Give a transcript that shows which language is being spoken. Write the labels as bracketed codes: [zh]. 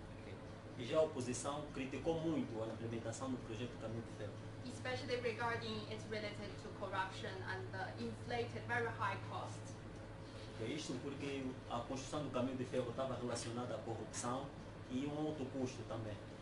[pt] Okay. E já a oposição criticou muito a implementação do projeto Caminho de Ferro. [en] Especially regarding its related to corruption and the inflated very high cost. Okay. [pt] Isso porque a construção do Caminho de Ferro estava relacionada à corrupção e um alto custo também.